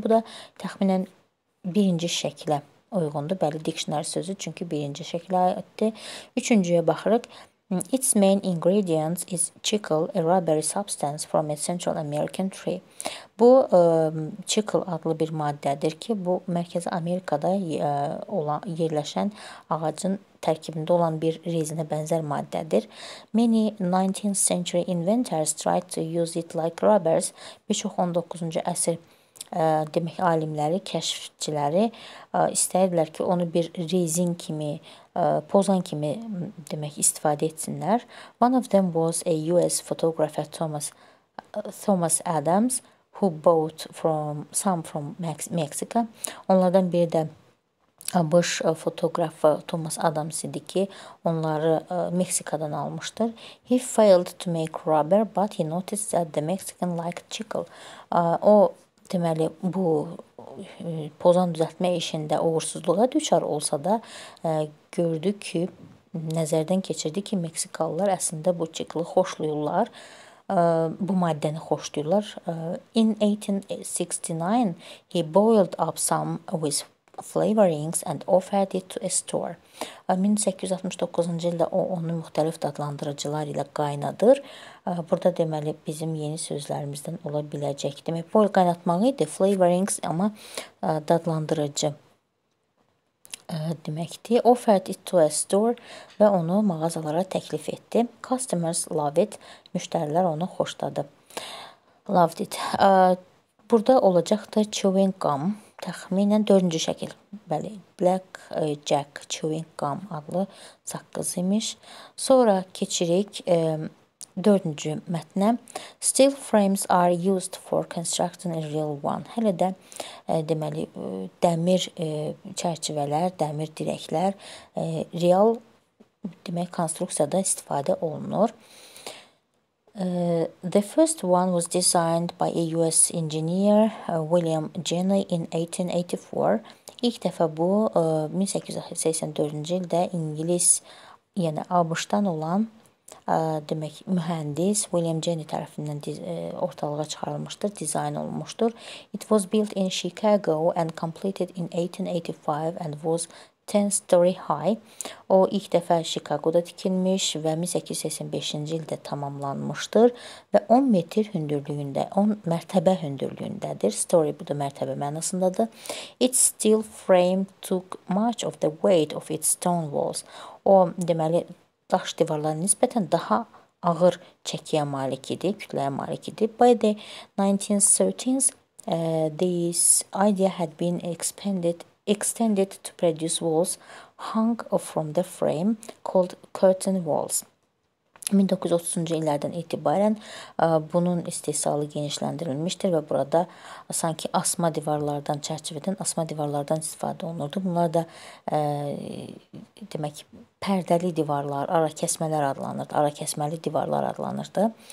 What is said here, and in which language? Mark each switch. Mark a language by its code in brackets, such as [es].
[az] Bu da təxminən birinci şəkilə uyğundur. Bəli, dictionary sözü, çünki birinci şəkilə aiddir. Üçüncüyə baxırıq. [en] Its main ingredients is chicle, a rubbery substance from a Central American tree. [az] Bu, chicle adlı bir maddədir ki, bu, Mərkəzi Amerikada yerləşən ağacın tərkibində olan bir rezinə bənzər maddədir. [en] Many 19th century inventors tried to use it like rubbers. [az] Bir çox 19-cu əsr demək alimləri, kəşfçiləri istəyirdilər ki, onu bir rezin kimi, pozan kimi demək istifadə etsinlər. [en] One of them was a US photographer Thomas Adams who bought some from Mexico. [az] Onlardan biri də ABŞ fotoqrafı Thomas Adams idi ki, onları Meksikadan almışdır. [en] He failed to make rubber, but he noticed that the Mexican liked chicle. [az] O, deməli, bu pozan düzəltmə işində uğursuzluğa düşər olsa da gördü ki, nəzərdən keçirdi ki, Meksikalılar əslində bu chicle-ı xoşlayırlar. Bu maddəni xoşlayırlar. [en] In 1869, he boiled up some with flavorings and offered it to a store. [az] 1869-cu ildə o, onu müxtəlif dadlandırıcılar ilə qaynadır. Burada deməli, bizim yeni sözlərimizdən ola biləcək. Demək, boil qaynatmaq idi, flavorings, amma dadlandırıcı deməkdir. [en] Offered it to a store [az] və onu mağazalara təklif etdi. [en] Customers loved it. [az] Müştərilər onu xoşladı. [en] Loved it. [az] Burada olacaq da chewing gum. Təxminən 4-cü şəkil, bəli, Black Jack Chewing Gum adlı saqqız imiş. Sonra keçirik 4-cü mətnə. [en] Steel frames are used for constructing a real one. [az] Hələ də, deməli, dəmir çərçivələr, dəmir dirəklər real, demək, konstruksiyada istifadə olunur. [en] The first one was designed by a US engineer, William Jenney, in 1884. [az] İlk dəfə bu 1884-cü ildə İngiliz, yəni ABŞ-dan olan demək mühəndis William Jenney tərəfindən ortalığa çıxarılmışdır, dizayn olunmuşdur. [en] It was built in Chicago and completed in 1885 and was 10 story high. [az] O ilk dəfə Chicago-da tikilmiş və 1885-ci ildə tamamlanmışdır və 10 metr hündürlüyündə, 10 mərtəbə hündürlüyündədir. Story bu da mərtəbə mənasındadır. [en] Its steel frame took much of the weight of its stone walls. [az] O deməli daş divarlara nisbətən daha ağır çəkiyə malik idi, kütləyə malik idi. [en] By the 1930s, this idea had been extended to produce walls hung from the frame called curtain walls. [az] 1930-cu illərdən etibarən bunun istehsalı genişləndirilmişdir və burada sanki asma divarlardan, çərçivədən asma divarlardan istifadə olunurdu. Bunlar da demək pərdəli divarlar, ara kəsmələr adlanırdı, ara kəsməli divarlar adlanırdı.